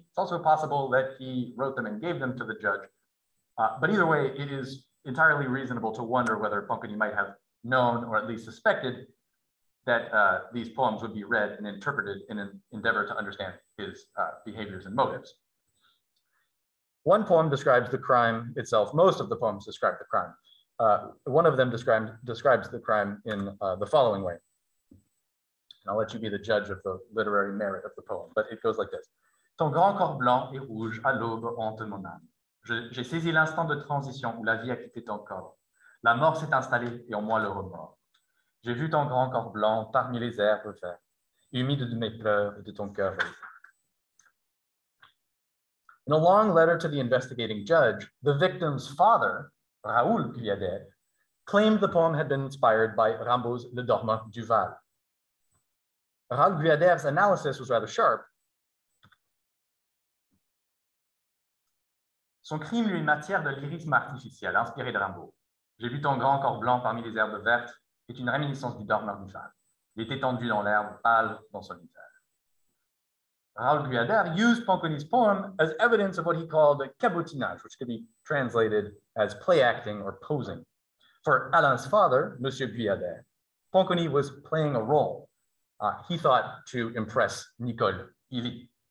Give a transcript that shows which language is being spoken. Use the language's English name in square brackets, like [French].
[English] It's also possible that he wrote them and gave them to the judge. But either way, it is entirely reasonable to wonder whether Pongani might have known or at least suspected that these poems would be read and interpreted in an endeavor to understand his behaviors and motives. One poem describes the crime itself. Most of the poems describe the crime. One of them describes the crime in the following way. And I'll let you be the judge of the literary merit of the poem, but it goes like this. [French] Ton grand corps blanc et rouge à l'aube hante mon âme. J'ai saisi l'instant de transition où la vie a quitté ton corps. La mort s'est installée et en moi le remords. J'ai vu ton grand corps blanc parmi les herbes vertes, humide de mes pleurs et de ton cœur. [English] In a long letter to the investigating judge, the victim's father, Raoul Guyader, claimed the poem had been inspired by Rimbaud's Le Dormeur du Val. Raoul Guyader's analysis was rather sharp. [French] Son crime lui est matière de lyrisme artificiel, inspiré de Rimbaud. J'ai vu ton grand corps blanc parmi les herbes vertes, est une réminiscence du Dormeur du Val. Il est étendu dans l'herbe, pâle dans son lit. [English] Raoul Guyader used Pongani's poem as evidence of what he called cabotinage, which could be translated as play acting or posing. For Alain's father, Monsieur Guyader, Pongani was playing a role, he thought, to impress Nicole Illy.